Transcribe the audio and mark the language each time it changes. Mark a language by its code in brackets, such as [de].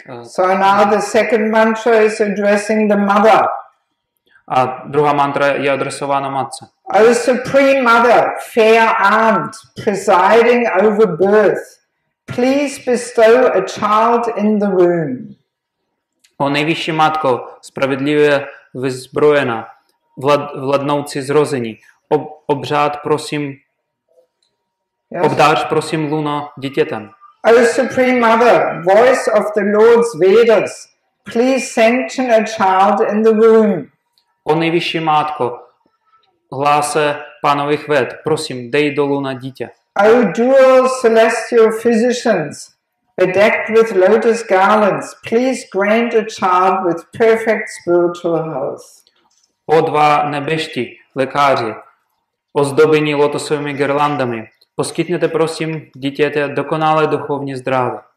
[en] So now the second mantra is addressing the mother. [cs] A druhá mantra je adresována matce. [en] O Supreme Mother, fair aunt, presiding over birth, please bestow a child in the womb. [cs] O nejvyšší matko, spravedlivě vyzbrojená, vladnoucí zrození, obdář prosím luna dítětem. [en] O Supreme Mother, voice of the Lord's Vedas, please sanction a child in the womb. [cs] O nejvyšší matko, hláse pánových ved, prosím, dej do luna dítě. [en] O dual celestial physicians, Bedecked with lotus garlands, please grant a child with perfect spiritual health. [cs] O dva nebeští lékaři, ozdobení lotosovými girlandami, poskytněte prosím dítěte dokonalé duchovní zdraví.